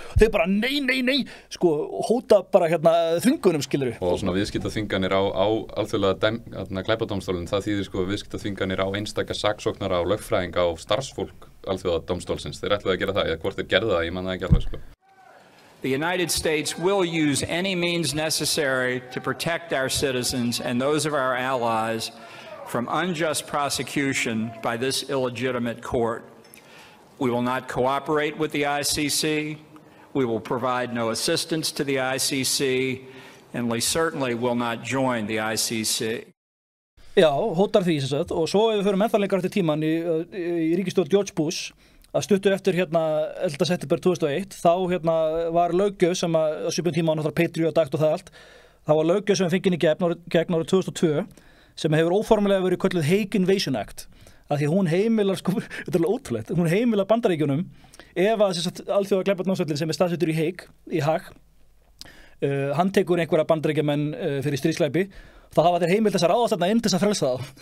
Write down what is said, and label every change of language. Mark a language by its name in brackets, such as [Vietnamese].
[Icelandic] Þeir bara nei, sko hóta bara hérna þvingunum, skilurðu. Og svona viðskiptaþvinganir á alþjóðlega hérna glæpadómstólinn, það þýðir sko viðskiptaþvinganir á einstaka saksóknara og lögfræðinga og starfsfólk alþjóða dómstólsins. Þeir ætluðu að gera það, eða hvort þeir gerðu það, ég man það ekki alveg, sko. [English] The United States will use any means necessary to protect our citizens and those of our allies from unjust prosecution by this illegitimate court. We will not cooperate with the ICC. We will provide no assistance to the ICC, and we certainly will not join the ICC. [Icelandic] Já, hótar því sem sagt, og svo ef við förum ennþá lengra eftir tímann í ríkisstjórn George Bush, að stuttu eftir hérna 11. september 2001, þá hérna var löggjöf sem að svipum tíma var náttúrulega Patriot Act og það allt, þá var löggjöf sem fengið í gegn árið 2002, sem hefur óformulega verið kölluð Hague Invasion Act, að því hún heimilar, sko, þetta er alveg ótrúlegt, hún heimilar Bandaríkjunum, ef að alþjóða glæpadómstóllinn sem er staðsettur í Hague, hann tekur einhverja bandaríkjamenn fyrir stríðsglæpi, þá hafa þeir heimild þess að ráðast þarna inn til þess að frelsa þá.